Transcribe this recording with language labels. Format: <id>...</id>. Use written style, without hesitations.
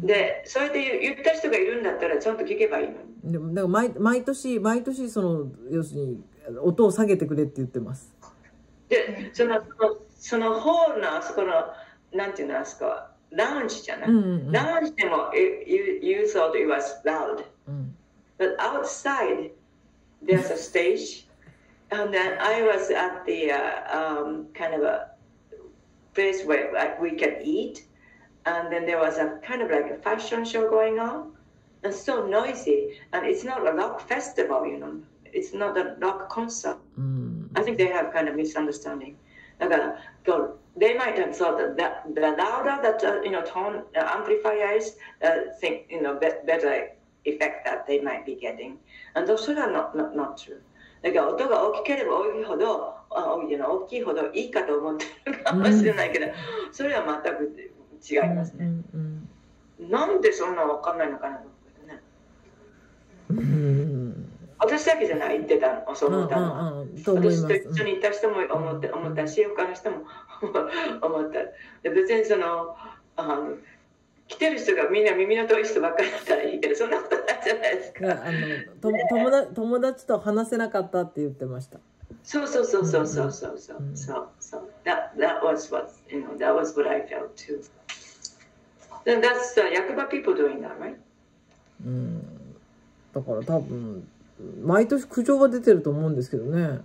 <ja>で、そうやって言った人がいるんだったらちゃんと聞けばいいのに。でも、だから毎年その、要するに音を下げてくれって言ってます。で、そのホールのあそこの、なんていうのあそこは、ラウンジじゃない、うんうんうん、ラウンジでも</ja> <en>you thought it was loud.、うん、 But outside,There's a stage, and then I was at the kind of a place where like, we could eat, and then there was a kind of like a fashion show going on, and so noisy, and it's not a rock festival, you know, it's not a rock concert.、 Mm. I think they have kind of misunderstanding. They might have thought that the louder that, you know, tone, the amplifier is, think, you know, better. Effect that they might be getting, and those are not true.</en> <ja>だから音が大きければ大きいほど、</ja> <en>you know,</en> <ja>大きいほどいいかと思ってるかもしれないけど、それは全く違いますね。なんでそんなわかんないのかなと思ってね。私だけじゃない言ってたの、そう思ったの。私と一緒に行った人も思ったし、他の人も思った。で別にその、来てる人がみんな耳の遠い人ばっかりだったらいいけど、そんなことないじゃないですか。友達と話せなかったって言ってました。そう。</ja> <en>That was what, you know, that was what I felt too. Then that's Yakuba people doing that, right? うん。</en> <ja>だから多分、毎年苦情が出てると思うんですけどね。</ja>